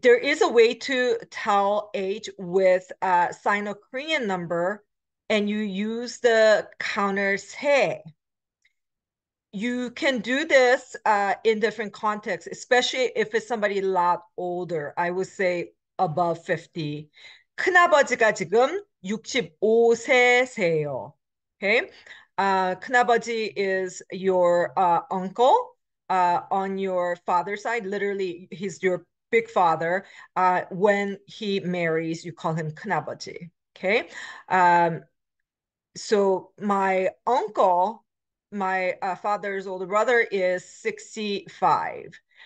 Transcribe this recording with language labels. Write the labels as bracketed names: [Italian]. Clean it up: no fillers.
[English] There is a way to tell age with a Sino-Korean number, and you use the counter 세. You can do this in different contexts, especially if it's somebody a lot older, I would say above 50. [Korean] 큰아버지가 지금 65세세요. [English] Okay. 큰아버지 is your uncle on your father's side. Literally, he's your big father. When he marries, you call him 큰아버지. Okay. So my uncle, my father's older brother is 65.